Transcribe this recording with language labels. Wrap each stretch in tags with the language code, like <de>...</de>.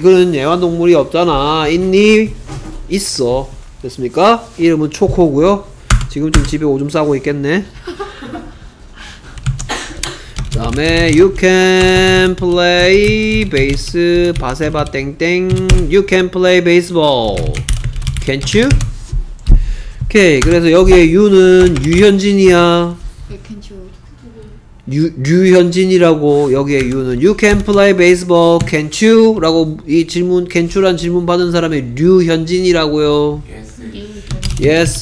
<ko>그는 애완동물이 없잖아. 있니? 있어. 됐습니까? 이름은 초코고요. 지금 좀 집에 오줌 싸고 있겠네.</ko> <en>다음에 you can play base 바세바 땡땡 you can play baseball can't you?</en> <ko>오케이 그래서 여기에 you는 유현진이야. 유현진이라고 여기에 유는</ko> <en>You can play baseball, can't you?</en> <ko>라고 이 질문 can't you란 질문 받은 사람이 류현진이라고요.</ko> <en>Yes,</en>